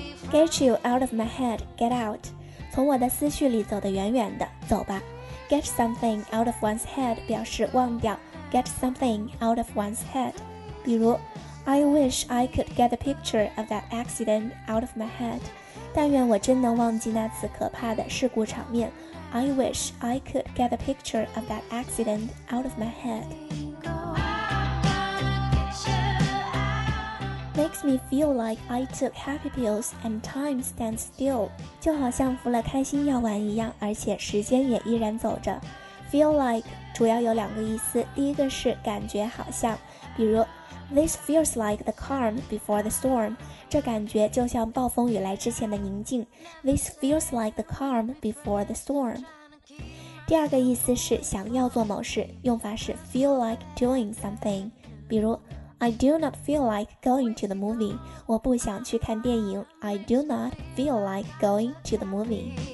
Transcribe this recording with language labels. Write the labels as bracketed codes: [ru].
[en] Get you out of my head, get out. [zh] 从我的思绪里走得远远的，走吧。 [en] Get something out of one's head [zh] 表示忘掉。 [en] Get something out of one's head. 比如 I wish I could get the picture of that accident out of my head. [zh] 但愿我真能忘记那次可怕的事故场面。 [en] I wish I could get a picture of that accident out of my head. Makes me feel like I took happy pills and time stands still. [zh] 就好像服了开心药丸一样，而且时间也依然走着。 Feel like 主要有两个意思，第一个是感觉好像，比如 [en] This feels like the calm before the storm. [zh] 这感觉就像暴风雨来之前的宁静。 [en] This feels like the calm before the storm. [zh] 第二个意思是想要做某事，用法是 [en] feel like doing something. 比如 I do not feel like going to the movie. [zh] 我不想去看电影。 [en] I do not feel like going to the movie.